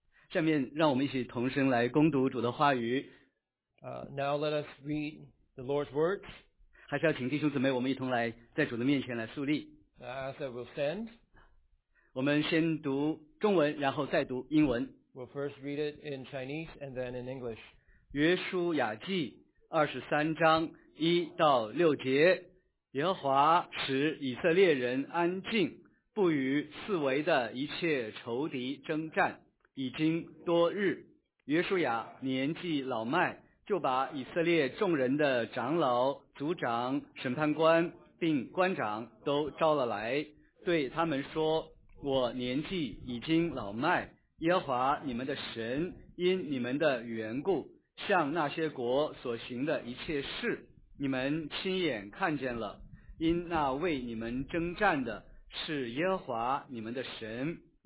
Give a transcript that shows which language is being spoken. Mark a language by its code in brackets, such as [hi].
[zh] 下面让我们一起同声来攻读主的话语。 [en] Now let us read the Lord's words. [zh] 还是要请弟兄姊妹，我们一同来在主的面前来肃立。 [en] As I will stand. [zh] 我们先读中文，然后再读英文。 [en] We'll first read it in Chinese and then in English. [zh] 约书亚记23:1-6，耶和华使以色列人安静，不与四围的一切仇敌征战。已经多日，约书亚年纪老迈，就把以色列众人的长老、族长、审判官并官长都召了来，对他们说：我年纪已经老迈，耶和华你们的神因你们的缘故向那些国所行的一切事，你们亲眼看见了，因那为你们征战的是耶和华你们的神。